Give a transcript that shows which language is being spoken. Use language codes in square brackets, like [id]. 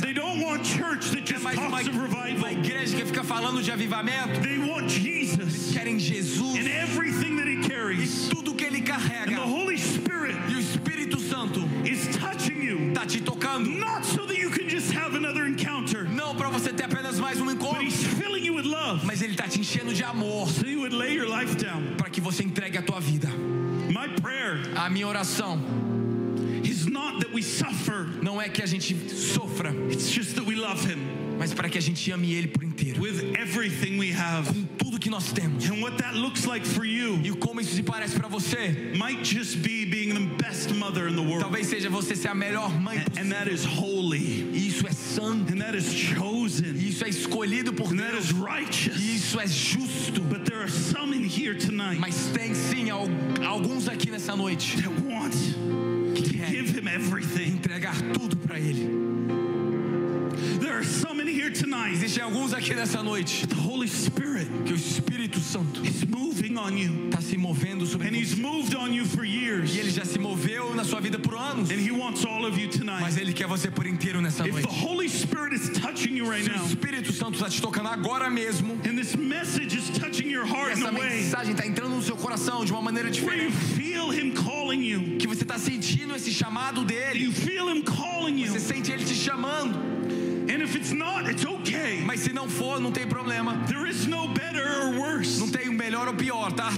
[en] They don't want church that just talks of revival. [pt] Uma igreja que fica falando de avivamento. [en] They want Jesus. [pt] Eles querem Jesus. [en] And everything that he carries. [pt] E tudo que ele carrega. [en] And the Holy Spirit. [pt] E o Espírito Santo. [en] Is touching you. [pt] Tá te tocando. [en] Not so that you can just have another encounter. [pt] Não para você ter apenas mais um encontro. [en] But he's filling you with love. [pt] Mas ele tá te enchendo de amor. [en] So you would lay your life down. [pt] Para que você entregue a tua vida. [en] My prayer. [pt] A minha oração. [en] Is not that we suffer. [pt] Não é que a gente sofra. [en] It's just that we love him. [pt] Mas para que a gente ame ele por inteiro. [en] With everything we have. [pt] Com tudo que nós temos. [en] And what that looks like for you. [pt] E como isso se parece para você. [en] Might just be being the best mother in the world. [pt] Talvez seja você ser a melhor mãe possível. [en] And that is holy. [pt] E isso é santo. [en] And that is chosen. [pt] E isso é escolhido por [en] and [pt] Deus. [en] That is righteous. [pt] E isso é justo. [en] But there are some in here tonight. [pt] Mas tem sim alguns aqui nessa noite. [en] That want to give him everything. [pt] Entregar tudo para ele. [en] There are some in here tonight. [pt] Existem alguns aqui nessa noite. [en] The Holy Spirit, [pt] que o Espírito Santo, [en] is moving on you. [pt] Tá se movendo sobre [en] and [pt] você. [en] And he's moved on you for years. [pt] E ele já se moveu na sua vida por anos. [en] And he wants all of you tonight. [pt] Mas ele quer você por inteiro nessa [en] if [pt] noite. [en] If the Holy Spirit is touching you right now. [pt] Se o Espírito Santo está te tocando agora mesmo. [en] And this message is touching your heart in a way. [pt] Essa mensagem tá entrando no seu coração de uma maneira diferente. [en] Where you feel him calling you. [pt] Que você tá sentindo esse chamado dele. [en] You feel him calling you. [pt] Você sente ele te chamando. [en] And if it's not, it's okay. [pt] Mas se não for, não tem problema. [en] There is no better or worse. [pt] Não tem melhor ou pior, tá?